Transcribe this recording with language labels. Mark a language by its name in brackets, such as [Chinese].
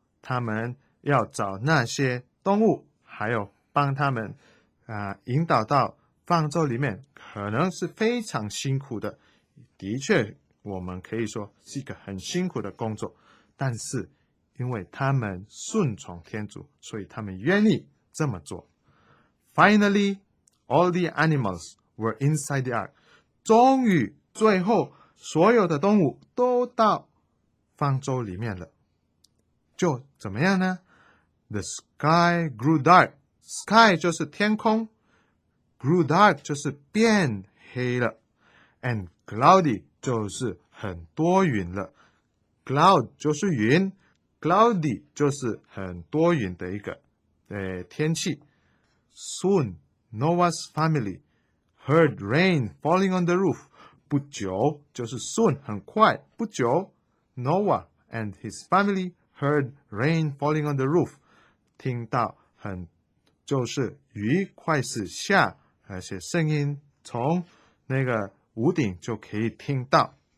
[Chinese] 他们要找那些动物，还有帮他们引导到方舟里面，可能是非常辛苦的。的确，我们可以说是一个很辛苦的工作，但是因为他们顺从天主，所以他们愿意这么做。 [English] Finally, all the animals were inside the ark. [Chinese] 终于，最后，所有的动物都到方舟里面了。就怎么样呢？ [English] The sky grew dark. [Chinese] Sky 就是天空， [English] grew dark [Chinese] 就是变黑了， [English] and cloudy [Chinese] 就是很多云了。 cloud 就是云，Cloudy 就是很多云的一个天气。 [English] Soon, Noah's family heard rain falling on the roof. [Chinese] 不久，就是 [English] soon, [Chinese] 很快，不久， [English] Noah and his family heard rain falling on the roof. [Chinese] 听到很，就是雨快是下，而且声音从那个屋顶就可以听到。